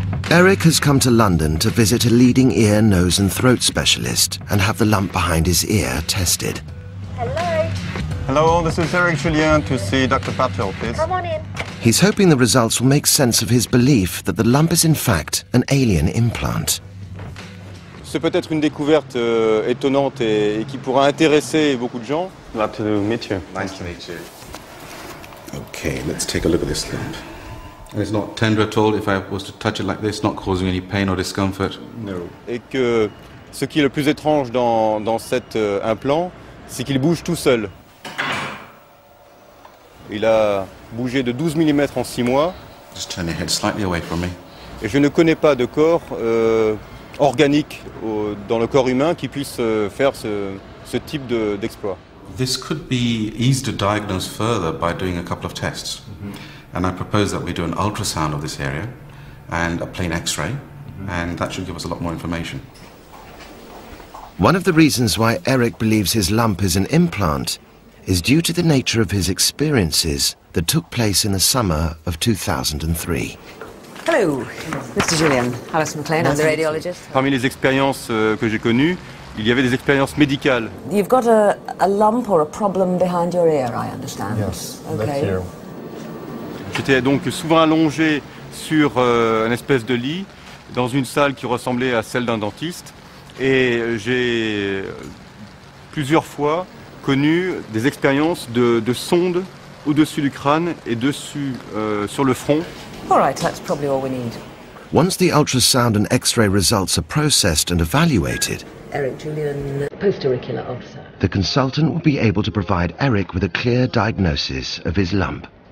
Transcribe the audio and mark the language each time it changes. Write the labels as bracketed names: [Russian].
[English] Eric has come to London to visit a leading ear, nose and throat specialist and have the lump behind his ear tested. Hello. Hello, this is Eric Julien to see Dr. Patel, please. Come on in. He's hoping the results will make sense of his belief that the lump is in fact an alien implant. [French] C'est peut-être une découverte étonnante et qui pourra intéresser beaucoup de gens. [English] Glad to meet you. Nice to meet you. Okay, let's take a look at this lump. And it's not tender at all if I was to touch it like this, not causing any pain or discomfort. No. [French] Et que ce qui est le plus étrange dans cet implant, c'est qu'il bouge tout seul. Il a bougé de 12 mm en 6 mois. [English] Just turn your head slightly away from me. [French] Et je ne connais pas de corps organique dans le corps humain qui puisse faire ce type d'exploit. [English] This could be easy to diagnose further by doing a couple of tests. Mm-hmm. And I propose that we do an ultrasound of this area and a plain x-ray, and that should give us a lot more information. One of the reasons why Eric believes his lump is an implant is due to the nature of his experiences that took place in the summer of 2003. Hello, Mr. Julien. Alice McLean, I'm the radiologist. [French] Parmi les expériences que j'ai connues, il y avait des expériences médicales. [English] You've got a lump or a problem behind your ear, I understand. Yes, okay. Left ear. [French] J'étais donc souvent allongé sur une espèce de lit dans une salle qui ressemblait à celle d'un dentiste et j'ai plusieurs fois connu des expériences de sondes au-dessus du crâne et dessus sur le front. [English] All right, that's probably all we need. Once the ultrasound and X-ray results are processed and evaluated, Eric Julian, post-auricular ulcer. The consultant will be able to provide Eric with a clear diagnosis of his lump.